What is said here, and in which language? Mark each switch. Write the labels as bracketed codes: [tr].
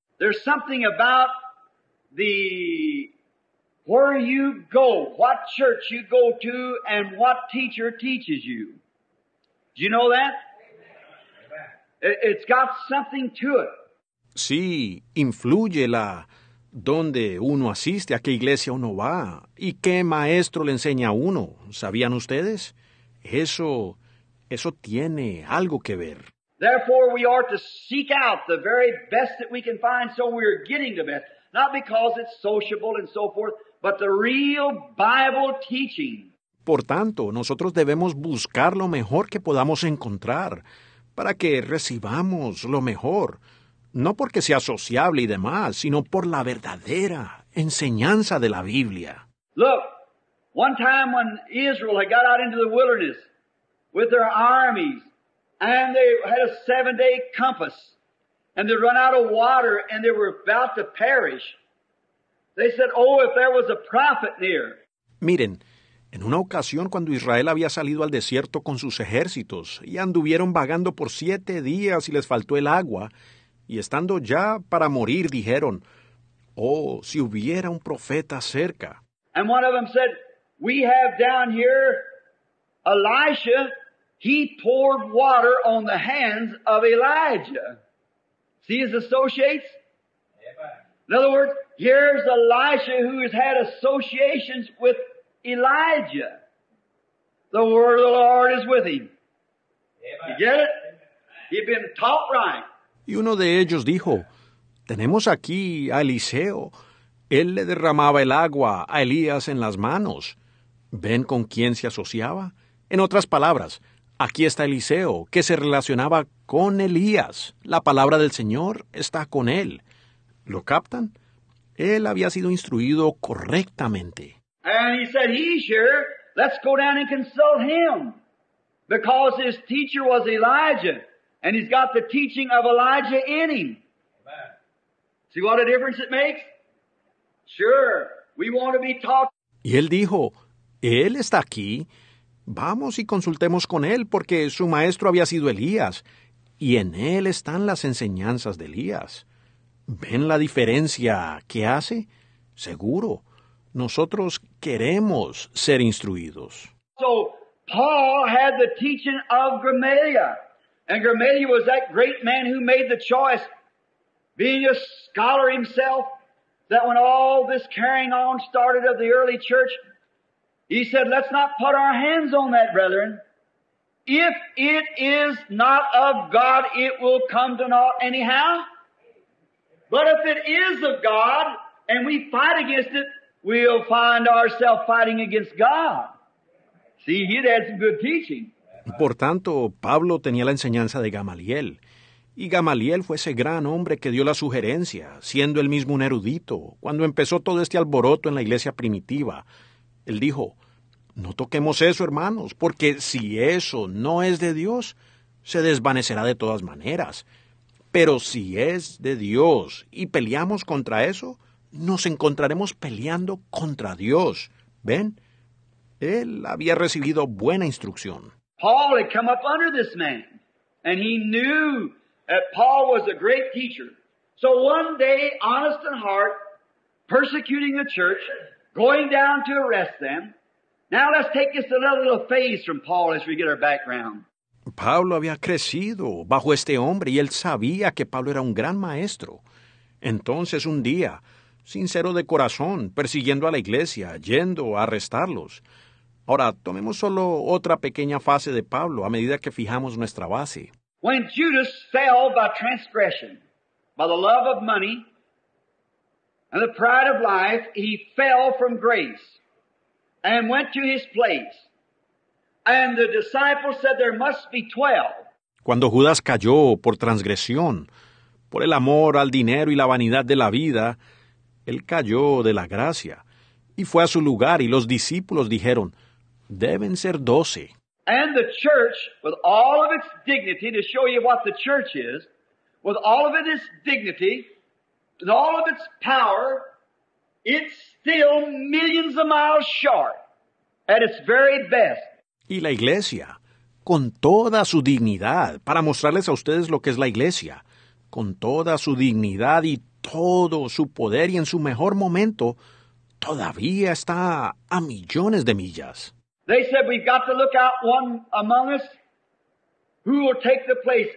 [en] There's something about the where you go, what church you go to, and what teacher teaches you. Do you know that? It's got something to it. [es] Sí, influye la donde uno asiste, a qué iglesia uno va, y qué maestro le enseña a uno. ¿Sabían ustedes? Eso tiene algo que ver. [en] Therefore, we are to seek out the very best that we can find, so we are getting the best. Not because it's sociable and so forth, but the real Bible teaching. [es] Por tanto, nosotros debemos buscar lo mejor que podamos encontrar para que recibamos lo mejor, no porque sea sociable y demás, sino por la verdadera enseñanza de la Biblia. [en] Look, one time when Israel had got out into the wilderness with their armies, and they had a 7-day compass, and they run out of water, and they were about to perish. They said, oh, if there was a prophet near. [es] Miren, en una ocasión cuando Israel había salido al desierto con sus ejércitos y anduvieron vagando por 7 días y les faltó el agua, y estando ya para morir, dijeron, oh, si hubiera un profeta cerca. [en] And one of them said, we have down here Elisha, he poured water on the hands of Elijah. See his associates? In other words, here's Elisha who has had associations with Elijah. The word of the Lord is with him. You get it? He'd been taught right. [es] Y uno de ellos dijo, tenemos aquí a Eliseo. Él le derramaba el agua a Elías en las manos. ¿Ven con quién se asociaba? En otras palabras, aquí está Eliseo, que se relacionaba con Elías. La palabra del Señor está con él. ¿Lo captan? Él había sido instruido correctamente. [en] And he said, he's here. Let's go down and consult him. Because his teacher was Elijah. And he's got the teaching of Elijah in him. Amen. See what a difference it makes? Sure, we want to be taught. [es] Y él dijo, él está aquí. Vamos y consultemos con él, porque su maestro había sido Elías, y en él están las enseñanzas de Elías. ¿Ven la diferencia que hace? Seguro, nosotros queremos ser instruidos. [en] So, Paul had the teaching of Gamaliel, and Gamaliel was that great man who made the choice, being a scholar himself, that when all this carrying on started of the early church, he said, let's not put our hands on that, brethren. If it is not of God, it will come to naught anyhow. But if it is of God, and we fight against it, we'll find ourselves fighting against God. See, he had some good teaching. [es] Por tanto, Pablo tenía la enseñanza de Gamaliel. Y Gamaliel fue ese gran hombre que dio la sugerencia, siendo él mismo un erudito, cuando empezó todo este alboroto en la iglesia primitiva. Él dijo, no toquemos eso, hermanos, porque si eso no es de Dios, se desvanecerá de todas maneras. Pero si es de Dios y peleamos contra eso, nos encontraremos peleando contra Dios. ¿Ven? Él había recibido buena instrucción. [en] Paul had come up under this man, and he knew that Paul was a great teacher. So one day, honest in heart, persecuting the church, going down to arrest them. Now let's take just another little phase from Paul as we get our background. [es] Pablo había crecido bajo este hombre y él sabía que Pablo era un gran maestro. Entonces un día, sincero de corazón, persiguiendo a la iglesia, yendo a arrestarlos. Ahora, tomemos solo otra pequeña fase de Pablo a medida que fijamos nuestra base. [en] When Judas fell by transgression, by the love of money and the pride of life, he fell from grace and went to his place. And the disciples said there must be 12. [es] Cuando Judas cayó por transgresión, por el amor al dinero y la vanidad de la vida, él cayó de la gracia y fue a su lugar y los discípulos dijeron, deben ser 12. [en] And the church, with all of its dignity, to show you what the church is, with all of its dignity, with all of its power, it's still millions of miles short at its very best. [es] Y la iglesia, con toda su dignidad, para mostrarles a ustedes lo que es la iglesia, con toda su dignidad y todo su poder y en su mejor momento, todavía está a millones de millas. [en] They said, we've got to look out one among us who will take the place.